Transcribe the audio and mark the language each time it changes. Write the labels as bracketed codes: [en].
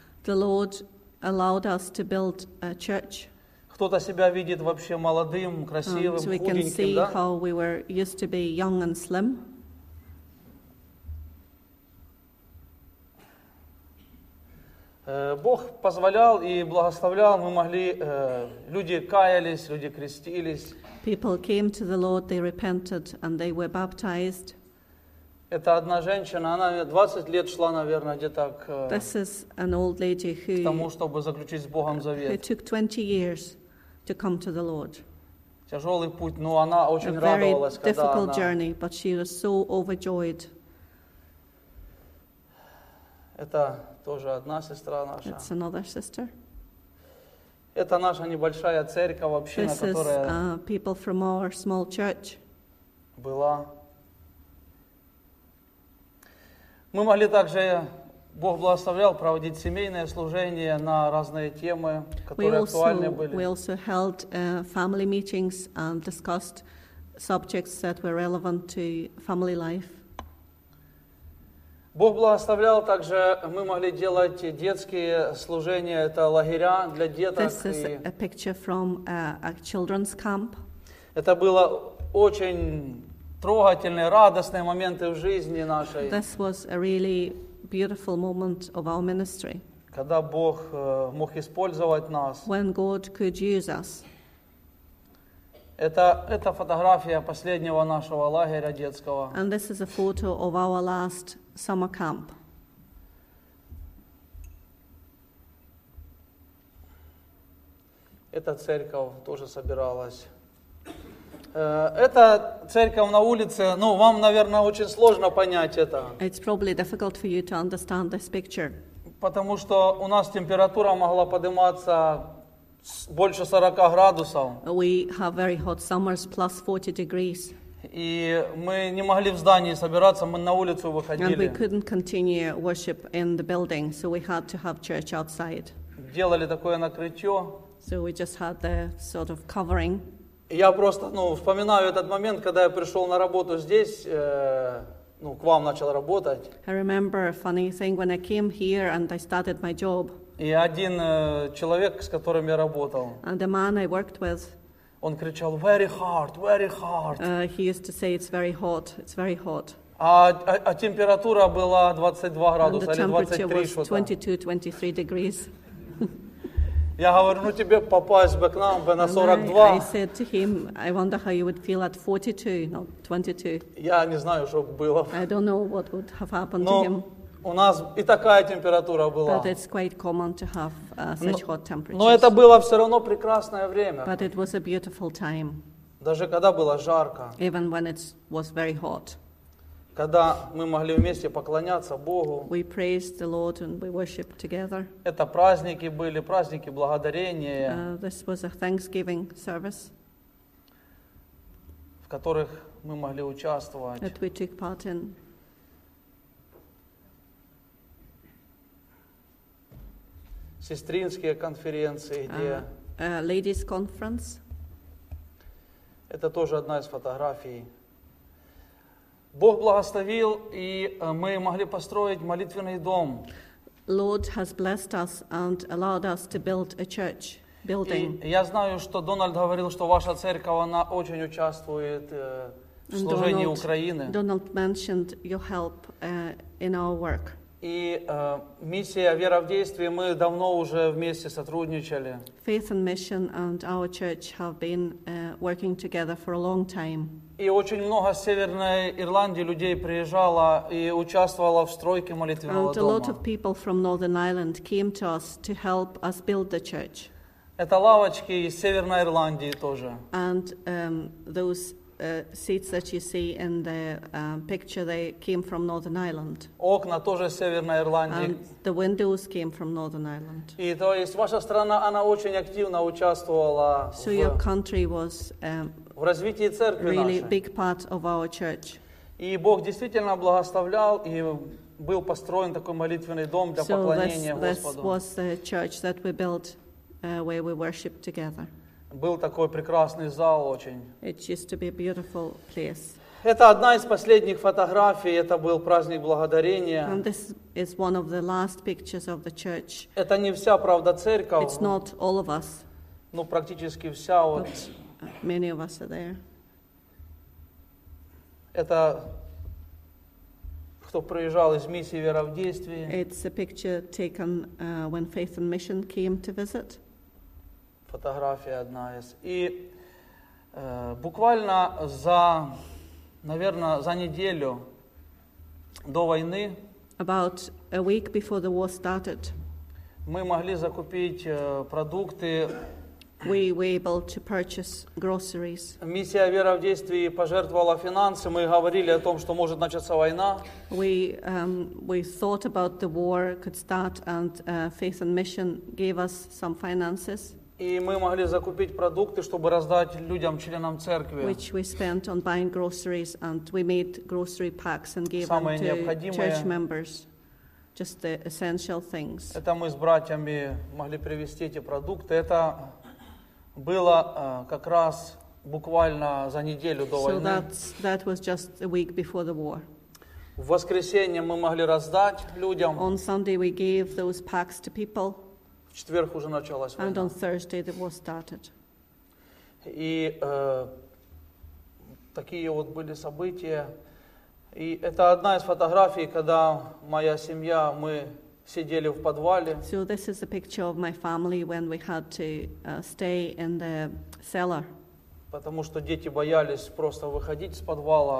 [en] The Lord allowed us to build a church. [ru] Кто-то себя видит вообще молодым, красивым, худеньким, да? [en] We can see [ru] да? [en] how we were used to be young and slim. [ru] Бог позволял и благословлял, мы могли, люди каялись, люди крестились. [en] People came to the Lord, they repented, and they were baptized. [ru] Это одна женщина, она 20 лет шла, наверное, где-то к, [en] this is an old lady who, [ru] к тому, чтобы заключить с Богом завет. [en] Who took 20 years to come to the Lord. [ru] Тяжелый путь, но она очень [en] a very [ru] радовалась, когда [en] difficult [ru] она... [en] journey, but she was so overjoyed. [ru] Это тоже одна сестра наша. [en] It's another sister. [ru] Это наша небольшая церковь, община, [en] this is, [ru] которая [en] people from our small church. [ru] Была. Мы могли также, Бог благословлял, проводить семейное служение на разные темы, которые [en] we [ru] актуальны [en] also, [ru] были. [en] We also held family meetings and discussed subjects that were relevant to family life. [ru] Бог благословлял также, мы могли делать детские служения, это лагеря для деток. [en] This is a picture from a children's camp. [ru] Это было очень трогательные, радостные моменты в жизни нашей. [en] This was a really beautiful moment of our ministry. [ru] Когда Бог мог использовать нас. [en] When God could use us. [ru] Это фотография последнего нашего лагеря детского. [en] And this is a photo of our last summer camp. [ru] Эта церковь тоже собиралась. Это церковь на улице. Ну, вам, наверное, очень сложно понять это. [en] It's probably difficult for you to understand this picture. [ru] Потому что у нас температура могла подниматься больше 40 градусов. [en] We have very hot summers, plus 40 degrees. [ru] И мы не могли в здании собираться, мы на улицу выходили. [en] And we couldn't continue worship in the building, so we had to have church outside. [ru] Делали такое накрытие. [en] So we just had the sort of covering. [ru] Я просто, ну, вспоминаю этот момент, когда я пришел на работу здесь, ну, к вам начал работать. [en] I remember a funny thing when I came here and I started my job. [ru] И один человек, с которым я работал. [en] And the man I worked with. [ru] Он кричал, [en] very hot, very hot. He used to say, it's very hot, it's very hot. [ru] А температура была 22 градуса или 23 что-то. [en] And the temperature was 22-23 degrees. [ru] Я говорю, ну тебе попасть бы к нам бы на 42. [en] And I said to him, I wonder how you would feel at 42, not 22. [ru] Я не знаю, что бы было. [en] I don't know what would have happened [ru] Но [en] to him. [ru] У нас и такая температура была. [en] But it's quite common to have such hot temperatures. [ru] Но это было все равно прекрасное время. [en] But it was a beautiful time. [ru] Даже когда было жарко. [en] Even when it was very hot. [ru] Когда мы могли вместе поклоняться Богу. [en] We praised the Lord and we worshiped together. [ru] Это праздники были, праздники благодарения. [en] This was a Thanksgiving service. [ru] В которых мы могли участвовать. [en] That we took part in. [ru] Сестринские конференции, где... [en] Ladies' conference. [ru] Это тоже одна из фотографий. Бог благословил, и мы могли построить молитвенный дом. [en] Lord has blessed us and allowed us to build a church building. [ru] И я знаю, что Дональд говорил, что ваша церковь, она очень участвует в служении Украины. [en] Donald mentioned your help in our work. [ru] И миссия «Вера в действии» мы давно уже вместе сотрудничали. [en] Faith and Mission and our church have been working together for a long time. [ru] И очень много с Северной Ирландии людей приезжало и участвовало в стройке молитвенного дома. [en] And a lot of people from Northern Ireland came to us to help us build the church. [ru] Это лавочки из Северной Ирландии тоже. [en] And those seats that you see in the picture, they came from Northern Ireland. [ru] Окна тоже из Северной Ирландии. [en] And the windows came from Northern Ireland. [ru] И то есть ваша страна, она очень активно участвовала. [en] So your country was [ru] в развитии церкви [en] really [ru] нашей. [en] Really big part of our church. [ru] И Бог действительно благословлял, и был построен такой молитвенный дом для поклонения Господу. [en] So this was the church that we built where we worshiped together. [ru] Был такой прекрасный зал очень. [en] It used to be a beautiful place. [ru] Это одна из последних фотографий, это был праздник благодарения. [en] And this is one of the last pictures of the church. [ru] Это не вся, правда, церковь. [en] It's not all of us. [ru] Ну, практически вся вот. [en] Many of us are there. [ru] Это кто приезжал из миссии «Вера в действии». [en] It's a picture taken when Faith and Mission came to visit. [ru] Фотография одна из. И буквально за, наверное, за неделю до войны, [en] about a week before the war started, [ru] мы могли закупить продукты. [en] We were able to purchase groceries. [ru] Миссия «Вера в действии» пожертвовала финансы. Мы говорили о том, что может начаться война. [en] We thought about the war could start, and Faith and Mission gave us some finances. [ru] И мы могли закупить продукты, чтобы раздать людям, членам церкви. [en] Which we spent on buying groceries, and we made grocery packs and gave them to church members. Just the essential things. [ru] Это мы с братьями могли привезти эти продукты. Это было как раз буквально за неделю до войны. [en] So that was just a week before the war. [ru] В воскресенье мы могли раздать людям. [en] On Sunday we gave those packs to people. [ru] В четверг уже началась война. [en] And on Thursday the war started. [ru] И такие вот были события. И это одна из фотографий, когда моя семья, мы сидели в подвале. [en] So this is a picture of my family when we had to stay in the cellar. [ru] Потому что дети боялись просто выходить из подвала.